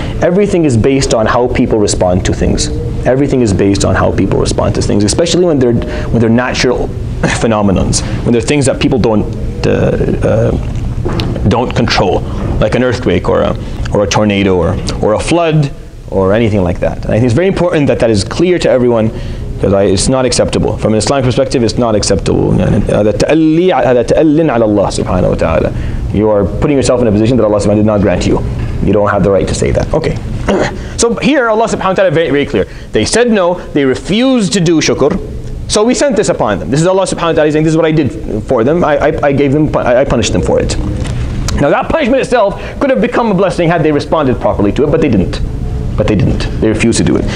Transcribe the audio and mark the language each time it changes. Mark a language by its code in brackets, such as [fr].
[en] Everything is based on how people respond to things. Everything is based on how people respond to things, especially when they're natural phenomenons, when they're things that people don't control, like an earthquake or a tornado or a flood or anything like that. And I think it's very important that is clear to everyone. Because it's not acceptable. From an Islamic perspective, it's not acceptable. [ar] هذا تألن على الله سبحانه وتعالى. [en] You are putting yourself in a position that Allah subhanahu wa ta'ala did not grant you. You don't have the right to say that. Okay. So here, Allah subhanahu wa ta'ala very, very clear. They said no, they refused to do shukr. So we sent this upon them. This is Allah subhanahu wa ta'ala saying, this is what I did for them. I punished them for it. Now that punishment itself could have become a blessing had they responded properly to it, but they didn't. They refused to do it.